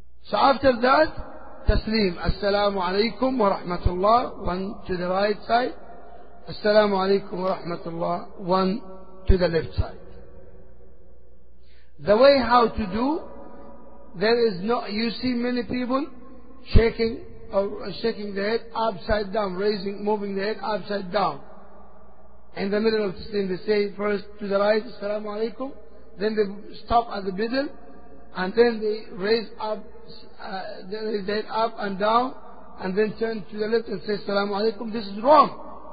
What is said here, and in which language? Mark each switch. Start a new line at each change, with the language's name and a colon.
English: So after that, تسليم.
Arabic: السلام عليكم ورحمة الله.
English: One to the right side.
Arabic: السلام عليكم ورحمة الله.
English: One to the left side. The way how to do, there is no, you see many people shaking the head upside down, raising, moving the head upside down. in the middle of the scene, they say first to the right, Assalamu alaikum, then they stop at the middle, and then they raise up, they up and down, and then turn to the left and say Assalamu alaikum. This is wrong.